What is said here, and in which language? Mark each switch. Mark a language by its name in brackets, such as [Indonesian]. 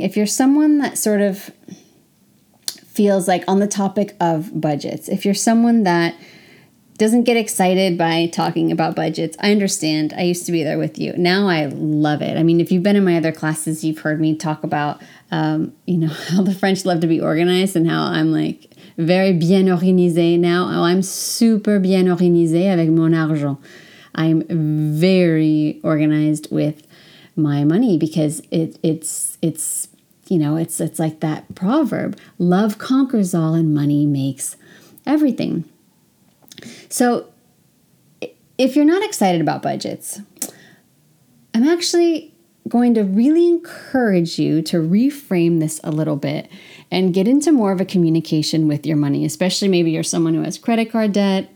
[English] If you're someone that sort of feels like, on the topic of budgets, if you're someone that doesn't get excited by talking about budgets, I understand. I used to be there with you. Now I love it. I mean, if you've been in my other classes, you've heard me talk about, you know, how the French love to be organized and how I'm like very [French] bien organisé [English] now. Oh, I'm super [French] bien organisé avec mon argent. [English] I'm very organized with my money because it's you know, it's like that proverb, love conquers all and money makes everything. So if you're not excited about budgets, I'm actually going to really encourage you to reframe this a little bit and get into more of a communication with your money, especially maybe you're someone who has credit card debt.